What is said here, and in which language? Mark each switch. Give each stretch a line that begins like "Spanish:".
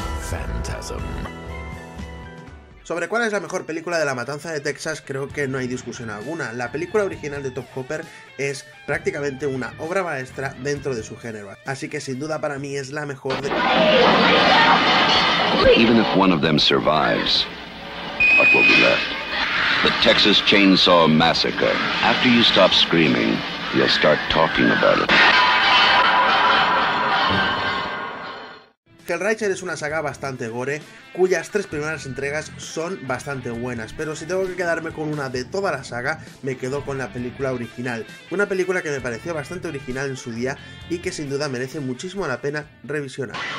English: Phantasm.
Spanish: Sobre cuál es la mejor película de La Matanza de Texas, creo que no hay discusión alguna. La película original de Tobe Hooper es prácticamente una obra maestra dentro de su género. Así que sin duda para mí es la mejor de...
English: Even if one of them survives, what will be left? The Texas Chainsaw Massacre. After you stop screaming, you'll start talking about it.
Spanish: Hellraiser es una saga bastante gore, cuyas tres primeras entregas son bastante buenas, pero si tengo que quedarme con una de toda la saga, me quedo con la película original. Una película que me pareció bastante original en su día y que sin duda merece muchísimo la pena revisionar.